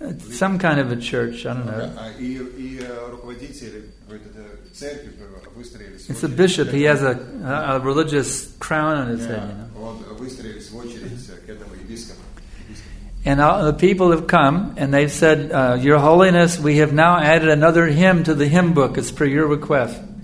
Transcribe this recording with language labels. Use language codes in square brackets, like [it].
[en] Some kind of a church, I don't know. [ru] И руководители церкви выстроились. [en] It's a bishop. He has a religious crown on his head. [ru] Он выстроились в очередь к этому епископу. [en] And the people have come and they've said, Your Holiness, we have now added another hymn to the hymn book. It's per your request.